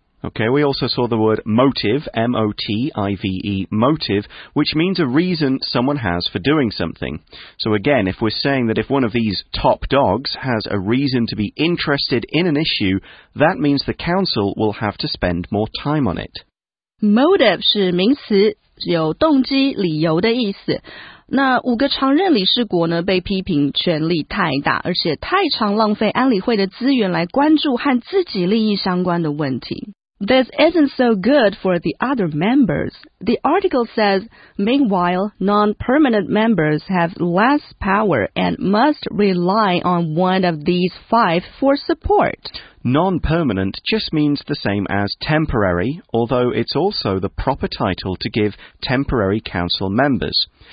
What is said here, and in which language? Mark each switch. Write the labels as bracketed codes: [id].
[en] Okay, we also saw the word motive, M-O-T-I-V-E, motive, which means a reason someone has for doing something. So again, if we're saying that if one of these top dogs has a reason to be interested in an issue, that means the council will have to spend more time on it. [zh] Motive 是名词。有动机、理由的意思。那五个常任理事国呢，被批评权力太大，而且太常浪费安理会的资源来关注和自己利益相关的问题。 [en] This isn't so good for the other members. The article says, meanwhile, non-permanent members have less power and must rely on one of these five for support. Non-permanent just means the same as temporary, although it's also the proper title to give temporary council members.